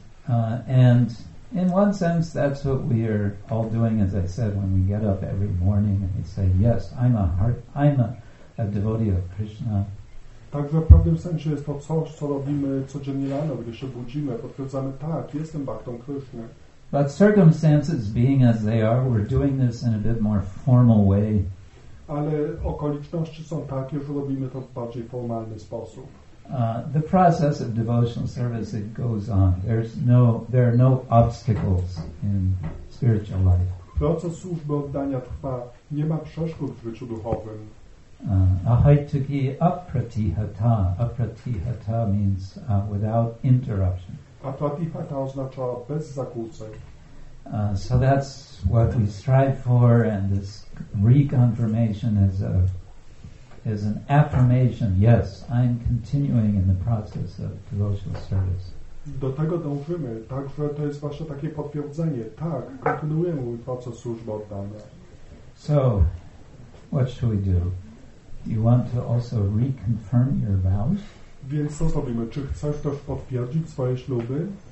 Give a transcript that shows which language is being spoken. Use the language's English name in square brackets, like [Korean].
[English] And in one sense that's what we are all doing, as I said, when we get up every morning and we say, yes, I'm a devotee of Krishna. [Polish] Także w pewnym sensie jest to coś, co robimy codziennie rano, gdy się budzimy, potwierdzamy, tak, jestem baktą Krishna. [English] But circumstances being as they are, we're doing this in a bit more formal way. [Polish] Ale okoliczności są takie, że robimy to w bardziej formalny sposób. [English] The process of devotional service, it goes on. There are no obstacles in spiritual life. [Polish] Proces służby oddania trwa. Nie ma przeszkód w życiu duchowym. [Sanskrit] Ahaituki apratihata. [English] Apratihata means without interruption. [Polish] Apratihata oznacza bez zakłóceń. [English] So that's what we strive for, and this reconfirmation is an affirmation. Yes, I'm continuing in the process of devotional service. [Polish] Do tego dążymy. Także to jest właśnie takie potwierdzenie. Tak, kontynuuję mój proces służby oddania. [English] So, what should we do? You want to also reconfirm your vows? [Polish] Więc co zrobimy? Czy chcesz też potwierdzić swoje śluby?